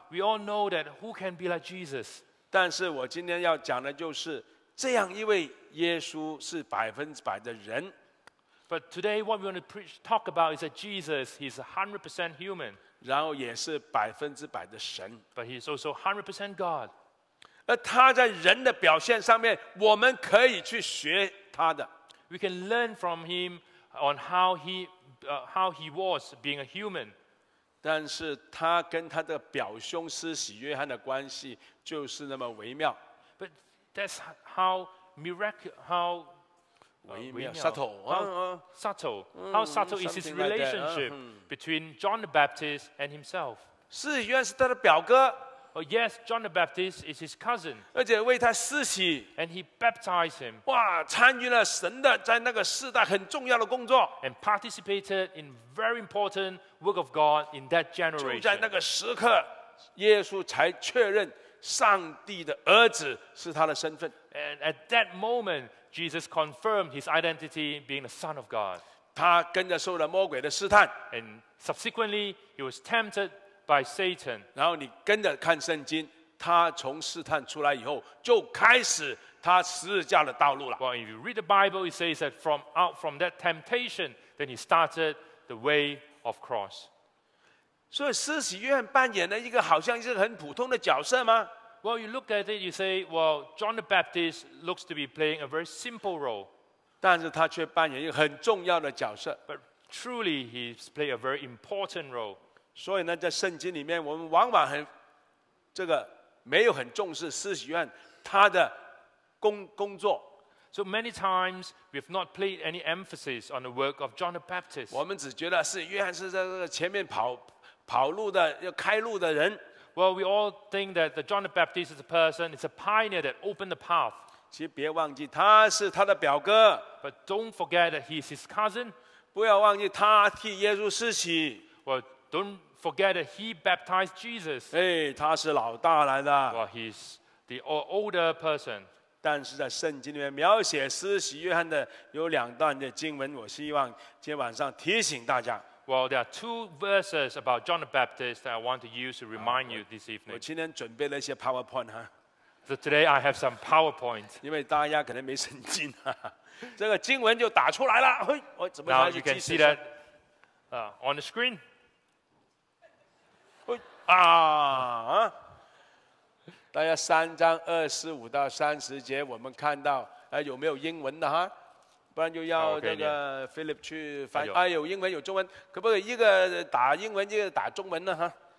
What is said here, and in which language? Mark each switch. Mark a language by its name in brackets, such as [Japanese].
[English] We all know that who can be like Jesus. [Chinese] 但是我今天要讲的就是这样一位耶稣是100%的人。 [English] But today, what we want to talk about is that Jesus is 100% human. [Chinese] 然后也是100%的神。 [English] But he is also 100% God. [Chinese] 而他在人的表现上面，我们可以去学他的。 [English] We can learn from him on how he was being a human. [Chinese] 但是他跟他的表兄施洗约翰的关系就是那么微妙。 [English] But that's how miracle, how [Chinese] 微妙 [English] subtle is his relationship between John the Baptist and himself. [Chinese] 施洗约翰是他的表哥。 [English] Oh, yes, John the Baptist is his cousin. [Chinese] 而且为他施洗。 [English] And he baptized him. [Chinese] 哇，参与了神的在那个世代很重要的工作。 [English] And participated in very important work of God in that generation. [Chinese] 就在那个时刻，耶稣才确认上帝的儿子是他的身份。 [English] And at that moment, Jesus confirmed his identity being the Son of God. [Chinese] 他跟着受了魔鬼的试探。 [English] And subsequently, he was tempted by Satan. [Chinese] 然后你跟着看圣经，他从试探出来以后，就开始他十字架的道路了。 [English] Well, if you read the Bible, it says that from that temptation, then he started the way of cross. [Chinese] 所以施洗约翰扮演了一个好像是很普通的角色吗？ [English] Well, you look at it, you say, well, John the Baptist looks to be playing a very simple role. [Chinese] 但是他却扮演一个很重要的角色。 [English] But truly, he's played a very important role. [Chinese] 所以呢，在圣经里面，我们往往很这个没有很重视施洗约翰他的工作。 [English] So many times we've not placed any emphasis on the work of John the Baptist. [Chinese] 我们只觉得是约翰是在这个前面跑路的，要开路的人。 [English] Well, we all think that the John the Baptist is a person, it's a pioneer that opened the path. [Chinese] 其实别忘记他是他的表哥。 [English] But don't forget that he's his cousin. [Chinese] 不要忘记他替耶稣施洗。 [English] Well, don't forget that he baptized Jesus. [Chinese] 哎，他是老大来的。 [English] Well, he's the older person. [Chinese] 但是在圣经里面描写施洗约翰的有两段的经文，我希望今天晚上提醒大家。 [English] Well, there are two verses about John the Baptist that I want to use to remind you this evening. [Chinese] 我今天准备了一些 PowerPoint 哈。 [English] So today I have some PowerPoint. [Chinese] 因为大家可能没圣经啊，这个经文就打出来了。嘿，我怎么 [English] 样？Now you can see that on the screen. 嘿啊啊！ [Chinese] 大家三章二十五到三十节，我们看到有没有英文的哈？不然就要这个 Philip 去翻。 [English] Okay, [Chinese] 有英文有中文，可不可以一个打英文，一个打中文呢哈？